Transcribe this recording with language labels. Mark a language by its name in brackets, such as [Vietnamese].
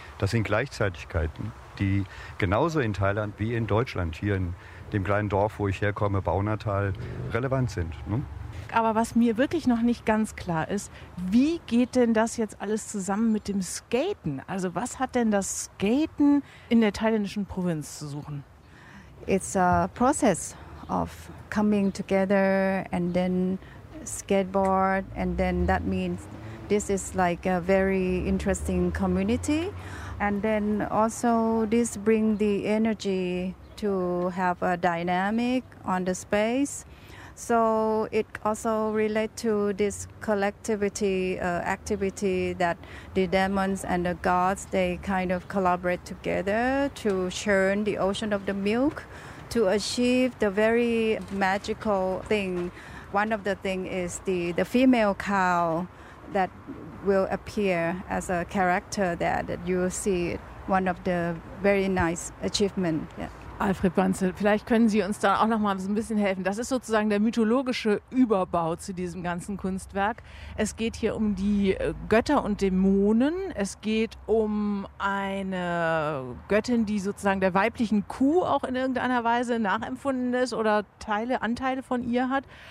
[German] Das sind Gleichzeitigkeiten, die genauso in Thailand wie in Deutschland, hier in dem kleinen Dorf, wo ich herkomme, Baunatal, relevant sind. Ne? Aber was mir wirklich noch nicht ganz klar ist, wie geht denn das jetzt alles zusammen mit dem Skaten? Also was hat denn das Skaten in der thailändischen Provinz zu suchen? [English] It's a process of coming together and then skateboard and then that means this is like a very interesting community and then also this bring the energy to have a dynamic on the space. So it also relate to this collectivity activity that the demons and the gods, they kind of collaborate together to churn the ocean of the milk to achieve the very magical thing. One of the thing is the female cow that will appear as a character that you will see one of the very nice achievement. Yeah. [German] Alfred Banzel, vielleicht können Sie uns da auch noch mal so ein bisschen helfen. Das ist sozusagen der mythologische Überbau zu diesem ganzen Kunstwerk. Es geht hier um die Götter und Dämonen. Es geht um eine Göttin, die sozusagen der weiblichen Kuh auch in irgendeiner Weise nachempfunden ist oder Teile, Anteile von ihr hat.